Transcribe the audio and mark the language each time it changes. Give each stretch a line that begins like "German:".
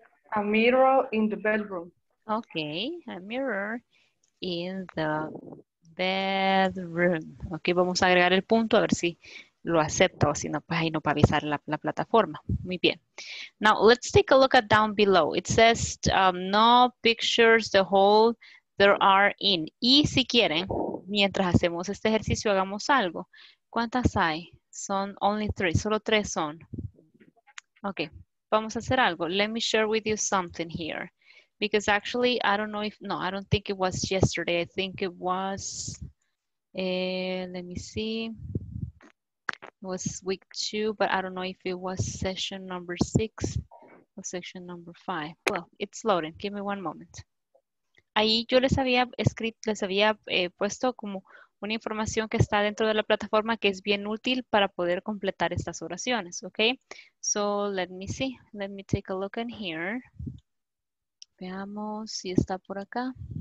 English: A mirror in the bedroom. Okay, a mirror in the bedroom.
Spanish: Okay, vamos a agregar el punto a ver si lo acepto, si no, pues ahí no para avisar la plataforma. Muy bien.
English: Now, let's take a look at down below. It says, no pictures, the hole there are in.
Spanish: Y si quieren, mientras hacemos este ejercicio, hagamos algo. ¿Cuántas hay? Son
English: only three,
Spanish: solo tres son. Ok, vamos a hacer algo.
English: Let me share with you something here. Because actually, I don't know if, no, I don't think it was yesterday. I think it was, let me see. It was week two, but I don't know if it was session number six or session number five. Well, it's loading. Give me one moment.
Spanish: Ahí yo les había escrito, les había puesto como una información que está dentro de la plataforma que es bien útil para poder completar estas oraciones, ¿ok?
English: So, let me see. Let me take a look in here.
Spanish: Veamos si está por acá.